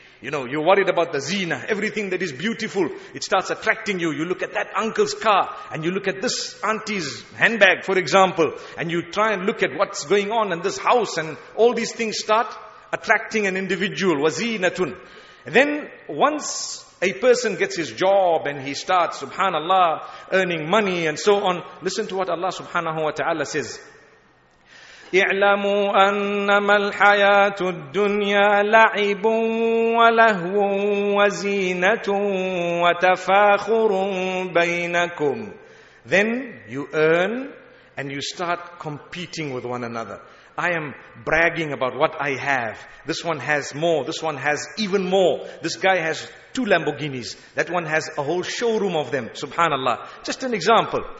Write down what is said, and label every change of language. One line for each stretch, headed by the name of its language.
English: You know, you're worried about the zina, everything that is beautiful. It starts attracting you. You look at that uncle's car, and you look at this auntie's handbag, for example. And you try and look at what's going on in this house, and all these things start attracting an individual. Wazinatun. Then, once a person gets his job, and he starts, subhanallah, earning money and so on. Listen to what Allah subhanahu wa ta'ala says.
Arabic: اعلموا أنما الحياة الدنيا لعب ولهو وزينة وتفاخر بينكم.
English: Then you earn and you start competing with one another. I am bragging about what I have. This one has more. This one has even more. This guy has 2 Lamborghinis. That one has a whole showroom of them. Subhanallah. Just an example.